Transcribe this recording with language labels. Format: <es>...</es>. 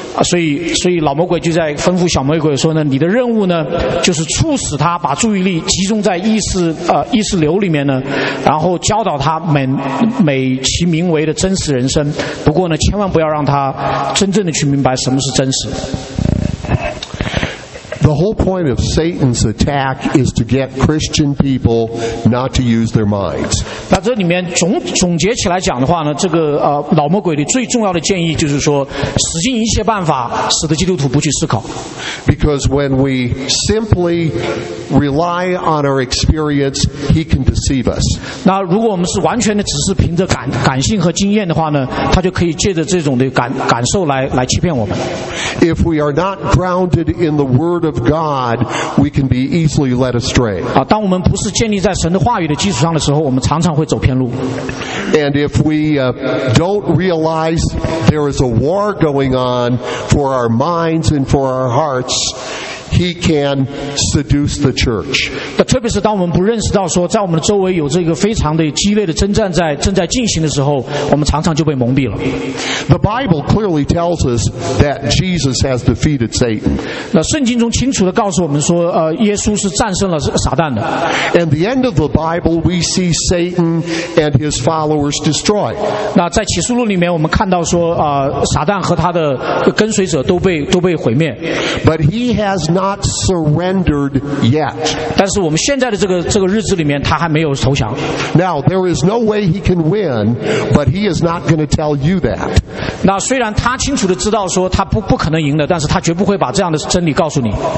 <zh>所以老魔鬼就在吩咐小魔鬼说呢，你的任务呢就是促使他把注意力集中在意识流里面呢，然后教导他美其名为的真实人生，不过呢，千万不要让他真的去明白什么是真实。</zh> <en>The whole point of Satan's attack is to get Christian people not to use their minds.</en> <zh>那这里面总结起来讲的话呢，这个老魔鬼的最重要的建议就是说，使尽一切办法使得基督徒不去思考。</zh> <en>Because when we simply rely on our experience, he can deceive us.</en> <zh>那如果我们是完全的只是凭着感性和经验的话呢，他就可以借着这种的感受来欺骗我们。</zh> <en>If we are not grounded in the word of God, we can be easily led astray.</en> <zh>当我们不是建立在神的话语的基础上的时候，我们常常会走偏路。</zh> <en>And if we don't realize there is a war going on for our minds and for our hearts, he can seduce the church.</en> <zh>特别是当我们不认识到说，在我们的周围有这个非常的激烈的征战正在进行的时候，我们常常就被蒙蔽了。</zh> <en>The Bible clearly tells us that Jesus has defeated Satan.</en> <zh>那圣经中清楚地告诉我们说，耶稣是战胜了撒旦的。</zh> <en>And the end of the Bible, we see Satan and his followers destroyed.</en> <zh>那在启示录里面，我们看到说，撒旦和他的跟随者都被毁灭。</zh> <en>But he has not surrendered yet.</en> <zh>但是我们现在的这个日子里面, 他还没有投降。</zh> <en>Now, there is no way he can win, but he is not going to tell you that.</en> <zh>那虽然他清楚地知道说他不可能赢的, 但是他绝不会把这样的真理告诉你。</zh>